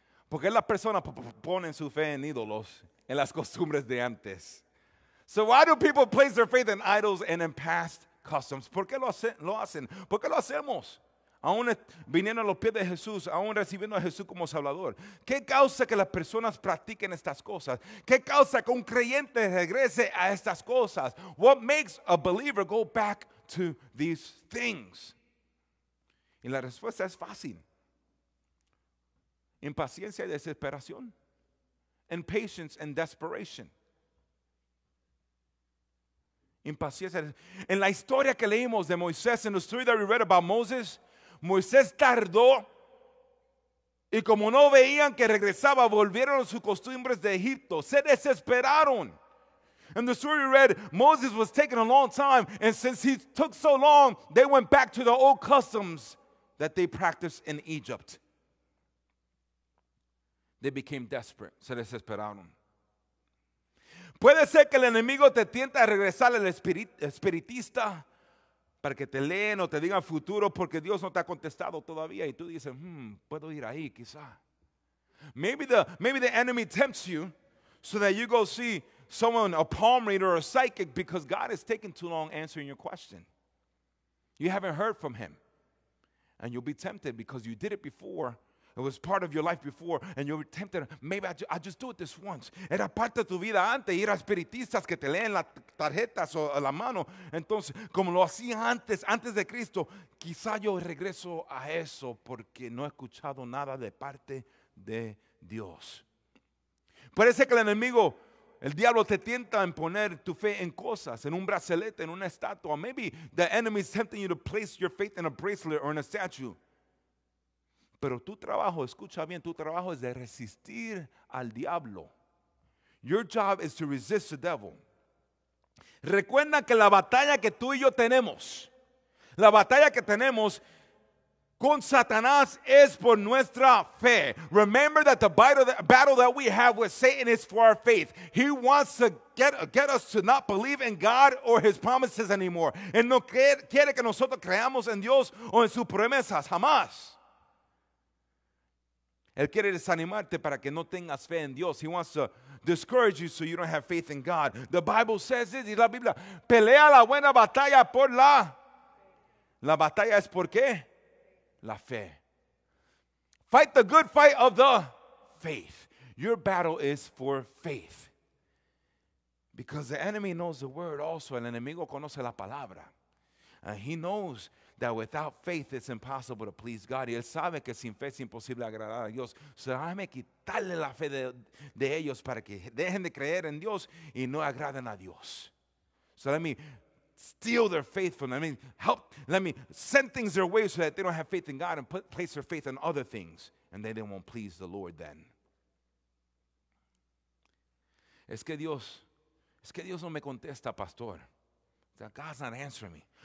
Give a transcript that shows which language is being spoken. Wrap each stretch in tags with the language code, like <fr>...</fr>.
<es>¿Por qué las personas ponen su fe en ídolos, en las costumbres de antes?</es> <en>So why do people place their faith in idols and in past customs?</en> <es>¿Por qué lo hacen? ¿Por qué lo hacemos? Aún viniendo a los pies de Jesús, aún recibiendo a Jesús como Salvador. ¿Qué causa que las personas practiquen estas cosas? ¿Qué causa que un creyente regrese a estas cosas?</es> <en>What makes a believer go back to these things?</en> <es>Y la respuesta es fácil. Impaciencia y desesperación.</es> <en>Impatience and desperation.</en> <es>Impaciencia. En la historia que leímos de Moisés, en la historia que leímos de Moisés, Moisés tardó y como no veían que regresaba, volvieron a sus costumbres de Egipto. Se desesperaron.</es> <en>In the story we read, Moses was taking a long time, and since he took so long, they went back to the old customs that they practiced in Egypt. They became desperate.</en> <es>Se desesperaron. Puede ser que el enemigo te tienta a regresar al espiritista. Para que te leen o te digan futuro porque Dios no te ha contestado todavía. Y tú dices, puedo ir ahí quizá.</es> <en>Maybe the enemy tempts you so that you go see someone, a palm reader or a psychic, because God is taking too long answering your question. You haven't heard from him. And you'll be tempted because you did it before. It was part of your life before, and you're tempted. Maybe I just do it this once.</en> <es>Era parte de tu vida antes, ir a espiritistas que te leen las tarjetas o la mano. Entonces, como lo hacía antes, antes de Cristo, quizá yo regreso a eso porque no he escuchado nada de parte de Dios. Parece que el enemigo, el diablo, te tienta en poner tu fe en cosas, en un brazalete, en una estatua.</es> <en>Maybe the enemy is tempting you to place your faith in a bracelet or in a statue.</en> <es>Pero tu trabajo, escucha bien, tu trabajo es de resistir al diablo.</es> <en>Your job is to resist the devil.</en> <es>Recuerda que la batalla que tú y yo tenemos, la batalla que tenemos con Satanás es por nuestra fe.</es> <en>Remember that the battle that we have with Satan is for our faith. He wants to get us to not believe in God or his promises anymore.</en> <es>Él no quiere que nosotros creamos en Dios o en sus promesas, jamás. Él quiere desanimarte para que no tengas fe en Dios.</es> <en>He wants to discourage you so you don't have faith in God. The Bible says this,</en> <es>y la Biblia, pelea la buena batalla por la. La batalla es por qué? La fe.</es> <en>Fight the good fight of the faith. Your battle is for faith. Because the enemy knows the word also.</en> <es>El enemigo conoce la palabra.</es> <en>And he knows that without faith, it's impossible to please God.</en> <es>Y él sabe que sin fe es imposible agradar a Dios. So, déjame quitarle la fe de ellos para que dejen de creer en Dios y no agraden a Dios.</es> <en>So, let me steal their faith from them. Let me send things their way so that they don't have faith in God and place their faith in other things. And then they won't please the Lord then.</en> <es>Es que Dios no me contesta, pastor.</es> <en>God's not answering me.</en>